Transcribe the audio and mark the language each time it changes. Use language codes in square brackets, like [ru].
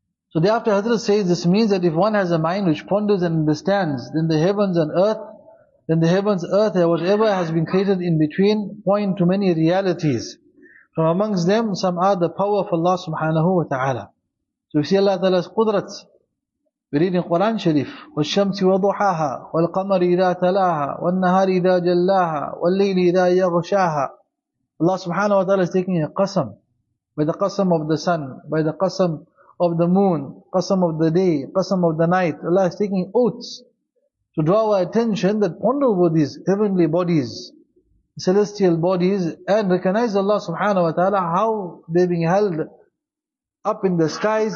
[en] So thereafter, Hazrat says, this means that if one has a mind which ponders and understands, then the heavens and earth, then the heavens, earth, and whatever has been created in between, point to many realities. From amongst them, some are the power of Allah subhanahu wa ta'ala. So we see Allah ta'ala's qudrat. [ar] We read in Quran Sharif, وَالشَّمْسِ وَضُحَاهَا وَالْقَمَرِ إِذَا تَلَاهَا وَالنَّهَارِ إِذَا جَلَّاهَا وَالْلَيْلِ إِذَا يَغْشَاهَا. [en] Allah subhanahu wa ta'ala is taking a qasam, by the qasam of the sun, by the qasam of the moon, qasam of the day, qasam of the night. Allah is taking oaths to draw our attention that ponder over these heavenly bodies, celestial bodies, and recognize Allah subhanahu wa ta'ala, how they're being held up in the skies.